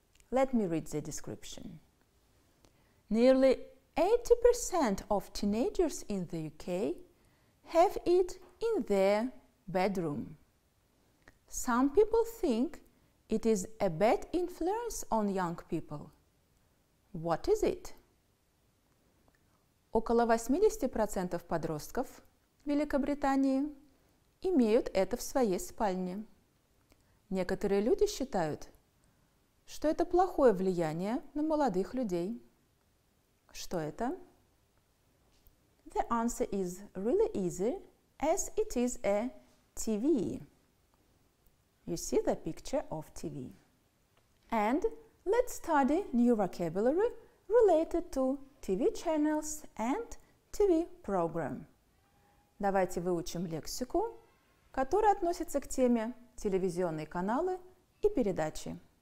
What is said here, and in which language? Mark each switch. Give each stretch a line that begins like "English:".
English: Let me read the description. Nearly 80% of teenagers in the UK have it in their bedroom. Some people think it is a bad influence on young people. What is it?
Russian: Около 80% подростков Великобритании имеют это в своей спальне. Некоторые люди считают, что это плохое влияние на молодых людей. Что это?
English: The answer is really easy, as it is a TV. You see the picture of TV. And let's study new vocabulary related to TV channels and TV program.
Russian: Давайте выучим лексику, которая относится к теме телевизионные каналы и передачи.